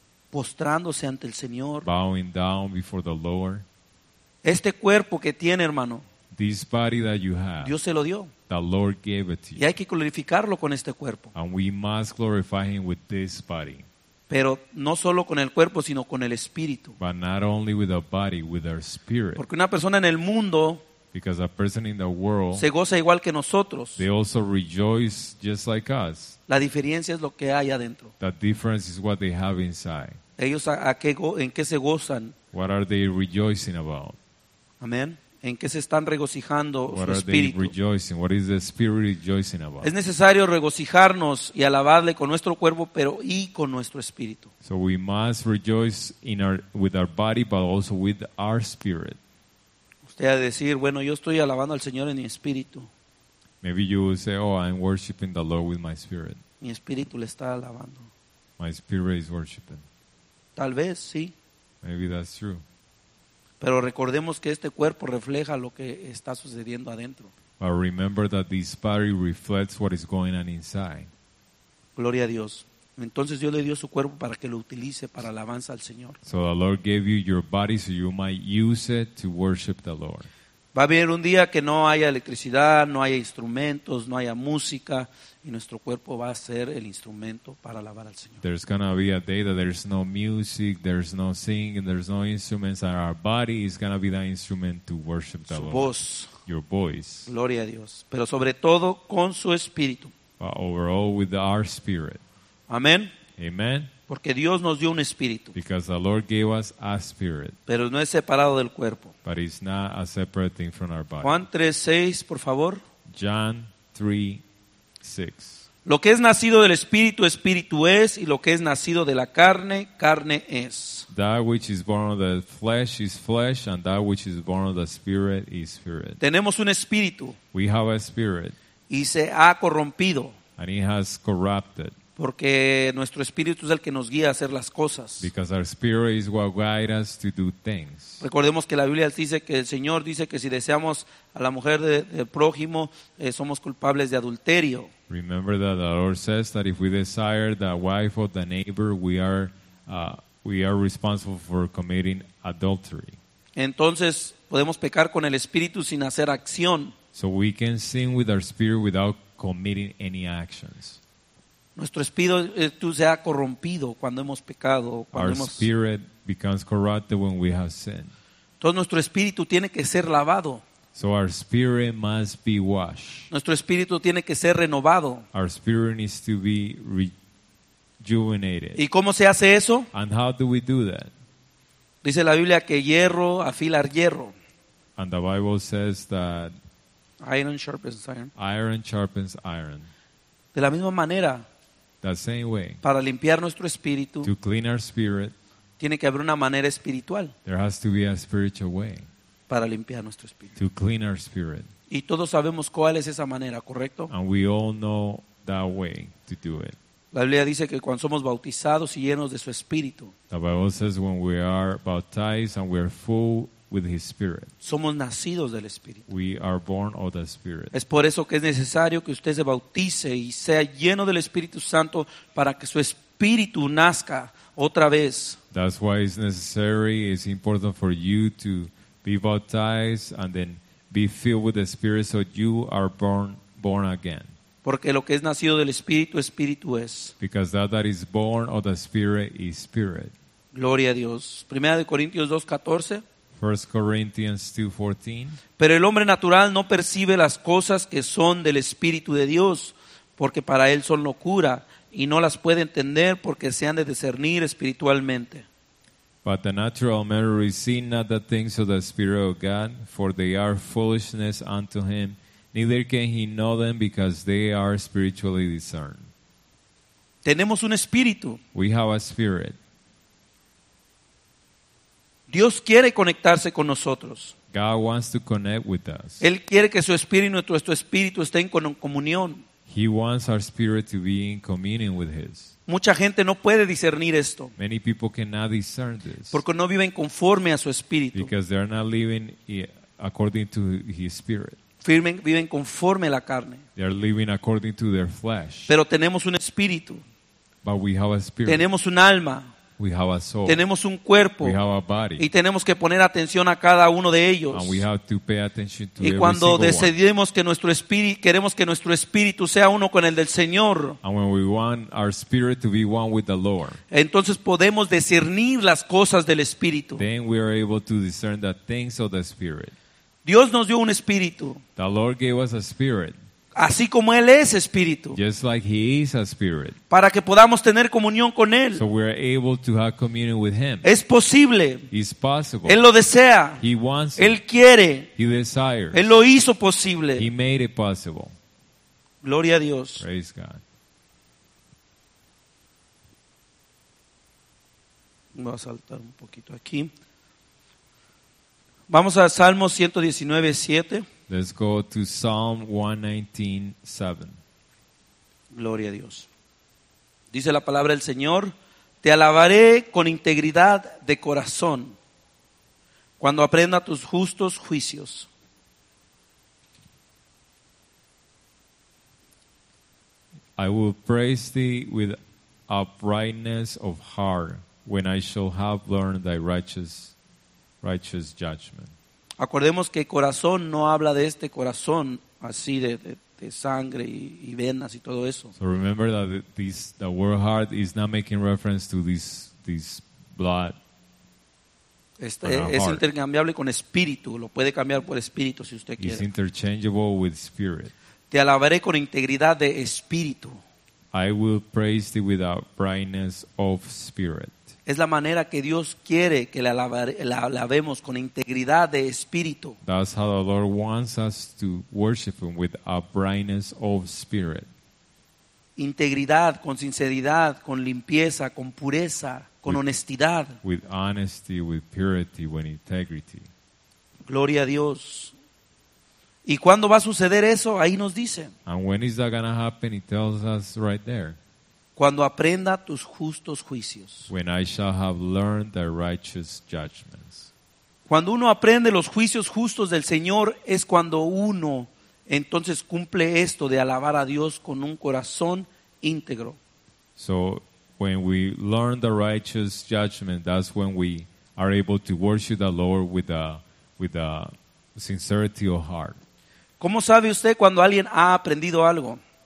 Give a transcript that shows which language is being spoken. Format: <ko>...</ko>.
<es>Postrándose ante el Señor.</es> <en>Bowing down before the Lord.</en> <es>Este cuerpo que tiene, hermano,</es> <en>this body that you have,</en> <es>Dios se lo dio.</es> <en>The Lord gave it to you.</en> <es>Y hay que glorificarlo con este cuerpo.</es> <en>And we must glorify him with this body.</en> <es>Pero no solo con el cuerpo, sino con el espíritu.</es> <en>But not only with the body, with our spirit.</en> <es>Porque una persona en el mundo,</es> <en>because a person in the world,</en> <es>se goza igual que nosotros.</es> <en>They also rejoice just like us.</en> <es>La diferencia es lo que hay adentro.</es> <en>The difference is what they have inside.</en> <es>Ellos en qué se gozan.</es> <en>What are they rejoicing about?</en> <es>Amén. ¿En qué se están regocijando</es> <en>what</en> <es>su espíritu?</es> <en>Rejoicing? What is the spirit rejoicing about?</en> <es>Es necesario regocijarnos y alabarle con nuestro cuerpo, pero y con nuestro espíritu.</es> <en>So we must rejoice in our with our body, but also with our spirit.</en> <es>Usted va a decir, bueno, yo estoy alabando al Señor en mi espíritu.</es> <en>Maybe you will say, oh, I'm worshiping the Lord with my spirit.</en> <es>Mi espíritu le está alabando.</es> <en>My spirit is worshiping.</en> <es>Tal vez, sí.</es> <en>Maybe that's true.</en> <es>Pero recordemos que este cuerpo refleja lo que está sucediendo adentro.</es> <en>But remember that this body reflects what is going on inside.</en> <es>Gloria a Dios. Entonces Dios le dio su cuerpo para que lo utilice para alabanza al Señor.</es> <en>So the Lord gave you your body so you might use it to worship the Lord.</en> <es>Va a venir un día que no haya electricidad, no haya instrumentos, no haya música, y nuestro cuerpo va a ser el instrumento para alabar al Señor.</es> <en>There's going to be a day that there's no music, there's no singing, there's no instruments, and our body is going to be that instrument to worship the Lord.</en> <es>Su voz.</es> <en>Your voice.</en> <es>Gloria a Dios. Pero sobre todo con su espíritu.</es> <en>But overall with our spirit.</en> <es>Amén.</es> <en>Amen.</en> <es>Porque Dios nos dio un espíritu.</es> <en>Because the Lord gave us a spirit.</en> <es>Pero no es separado del cuerpo.</es> <en>But it's not a separate thing from our body.</en> <es>Juan 3:6, por favor.</es> <en>John 3:6.</en> <es>Lo que es nacido del espíritu, espíritu es, y lo que es nacido de la carne, carne es.</es> <en>That which is born of the flesh is flesh, and that which is born of the spirit is spirit.</en> <es>Tenemos un espíritu.</es> <en>We have a spirit.</en> <es>Y se ha corrompido.</es> <en>And it has corrupted.</en> <es>Porque nuestro espíritu es el que nos guía a hacer las cosas.</es> <en>Because our spirit is what guides us to do things.</en> <es>Recordemos que la Biblia dice que el Señor dice que si deseamos a la mujer del prójimo, somos culpables de adulterio.</es> <en>Remember that the Lord says that if we desire the wife of the neighbor, we are responsible for committing adultery.</en> <es>Entonces, podemos pecar con el espíritu sin hacer acción.</es> <en>So we can sin with our spirit without committing any actions.</en> <es>Nuestro espíritu se ha corrompido cuando hemos pecado.</es> <en>Our spirit becomes corrupted when we have sinned.</en> <es>Entonces nuestro espíritu tiene que ser lavado.</es> <en>So our spirit must be washed.</en> <es>Nuestro espíritu tiene que ser renovado.</es> <en>Our spirit needs to be rejuvenated.</en> <es>¿Y cómo se hace eso?</es> <en>And how do we do that?</en> <es>Dice la Biblia que hierro afila hierro.</es> <en>And the Bible says that iron sharpens iron. Iron sharpens iron.</en> <es>De la misma manera.</es> <en>The same way,</en> <es>para limpiar nuestro espíritu,</es> <en>to clean our spirit,</en> <es>tiene que haber una manera espiritual.</es> <en>There has to be a spiritual way,</en> <es>para limpiar nuestro espíritu,</es> <en>to clean our spirit.</en> <es>Y todos sabemos cuál es esa manera, ¿correcto?</es> <en>And we all know that way to do it.</en> <es>La Biblia dice que cuando somos bautizados y llenos de su espíritu,</es> <en>the Bible says when we are baptized and we are full with his spirit.</en> <es>Somos nacidos del espíritu.</es> <en>We are born of the spirit.</en> <es>Es por eso que es necesario que usted se bautice y sea lleno del Espíritu Santo para que su espíritu nazca otra vez.</es> <en>That's why it's necessary, it's important for you to be baptized and then be filled with the spirit so you are born again.</en> <es>Porque lo que es nacido del espíritu, espíritu es.</es> <en>Because that is born of the spirit is spirit.</en> <es>Gloria a Dios. Primera de Corintios 2:14.</es> <en>1 Corinthians 2:14.</en> <es>Pero el hombre natural no percibe las cosas que son del Espíritu de Dios, porque para él son locura, y no las puede entender porque se han de discernir espiritualmente.</es> <en>But the natural man receives not the things of the Spirit of God, for they are foolishness unto him, neither can he know them because they are spiritually discerned.</en> <es>Tenemos un espíritu.</es> <en>We have a spirit.</en> <es>Dios quiere conectarse con nosotros.</es> <en>God wants to connect with us.</en> <es>Él quiere que su espíritu y nuestro espíritu estén en comunión.</es> <en>He wants our spirit to be in communion with his.</en> <es>Mucha gente no puede discernir esto.</es> <en>Many people cannot discern this.</en> <es>Porque no viven conforme a su espíritu.</es> <en>Because they are not living according to his spirit.</en> <es>Viven conforme a la carne.</es> <en>They are living according to their flesh.</en> <es>Pero tenemos un espíritu.</es> <en>But we have a spirit.</en> <es>Tenemos un alma.</es> <en>We have a soul.</en> <es>Tenemos un cuerpo.</es> <en>We have a body.</en> <es>Y tenemos que poner atención a cada uno de ellos.</es> <en>And we have to pay attention to</en> <es>y cuando decidimos que nuestro espíritu queremos que nuestro espíritu sea uno con el del Señor.</es> <en>And when we want our spirit to be one with the Lord.</en> <es>Entonces podemos discernir las cosas del espíritu.</es> <en>Then we are able to discern the things of the spirit.</en> <es>Dios nos dio un espíritu.</es> <en>The Lord gave us a spirit.</en> <es>Así como Él es Espíritu.</es> <en>Just like He is a Spirit.</en> <es>Para que podamos tener comunión con Él.</es> <en>So we are able to have communion with Him.</en> <es>Es posible.</es> <en>It's possible.</en> <es>Él lo desea.</es> <en>He wants it.</en> <es>Él quiere.</es> <en>He desires.</en> <es>Él lo hizo posible.</es> <en>He made it possible.</en> <es>Gloria a Dios.</es> <en>Praise God.</en> <es>Voy a saltar un poquito aquí. Vamos a Salmo 119:7.</es> <en>Let's go to Psalm 119:7.</en> <es>Gloria a Dios. Dice la palabra del Señor, te alabaré con integridad de corazón cuando aprenda tus justos juicios.</es> <en>I will praise thee with uprightness of heart when I shall have learned thy righteous judgment.</en> <es>Acordemos que corazón no habla de este corazón así de sangre y venas y todo eso.</es> <en>So remember that the word heart is not making reference to this blood.</en> <es>Este es intercambiable con espíritu, lo puede cambiar por espíritu si usted quiere.</es> <en>It's interchangeable with spirit.</en> <es>Te alabaré con integridad de espíritu.</es> <en>I will praise thee with uprightness of spirit.</en> <es>Es la manera que Dios quiere que la alabemos con integridad de espíritu.</es> <en>That's how the Lord wants us to worship Him with uprightness of spirit.</en> <es>Integridad, con sinceridad, con limpieza, con pureza, con honestidad.</es> <en>With honesty, with purity, with integrity.</en> <es>Gloria a Dios. ¿Y cuándo va a suceder eso? Ahí nos dice.</es> <en>And when is that going to happen? He tells us right there.</en> <es>Cuando aprenda tus justos juicios.</es> <en>When I shall have learned the righteous judgments.</en> <es>Cuando uno aprende los juicios justos del Señor es cuando uno entonces cumple esto de alabar a Dios con un corazón íntegro.</es> <en>So when we learn the righteous judgment, that's when we are able to worship the Lord with a sincerity of heart.</en> <es>¿Cómo sabe usted cuando alguien ha aprendido algo?</es>